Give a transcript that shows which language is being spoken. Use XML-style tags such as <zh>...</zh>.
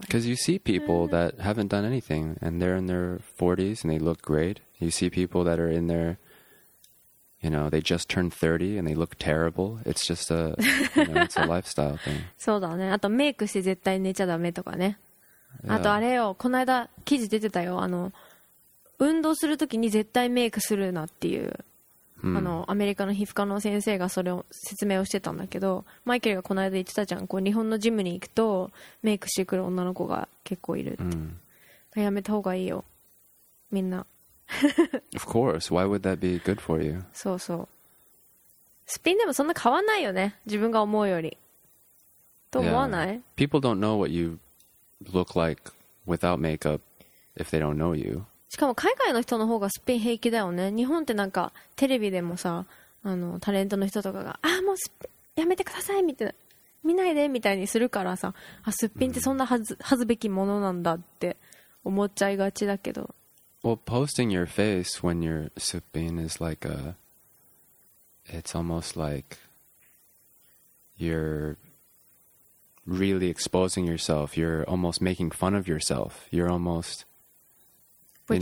<en>Because you see people that haven't done anything and they're in their 40s and they look great. You see people that are in their, you know, they just turned 30 and they look terrible. It's just a, you know, it's a lifestyle thing.</en> <ja>そうだね。あとメイクして絶対寝ちゃダメとかね。</ja> <en>Yeah.</en> <ja>あとあれよ、この間記事出てたよ。あの、運動するときに絶対メイクするなっていう。あのアメリカの皮膚科の先生がそれを説明をしてたんだけどマイケルがこの間言ってたじゃんこう日本のジムに行くとメイクしてくる女の子が結構いるって、うん、やめた方がいいよみんな</ja> <en>Of course, why would that be good for you?</en> <ja>そうそうスピンでもそんな変わんないよね自分が思うよりと思わない、</ja> <en>yeah. People don't know what you look like without makeup if they don't know you</en> <ja>しかも海外の人の方がすっぴん平気だよね。日本ってなんかテレビでもさ、あのタレントの人とかが、ああ、もうすっぴんやめてくださいみたいな、見ないでみたいにするからさ、あすっぴんってそんなはずべきものなんだって思っちゃいがちだけど。</ja> <en>Well, posting your face when you're すっぴん is like a. It's almost like you're really exposing yourself. You're almost making fun of yourself. You're almost. Which</en>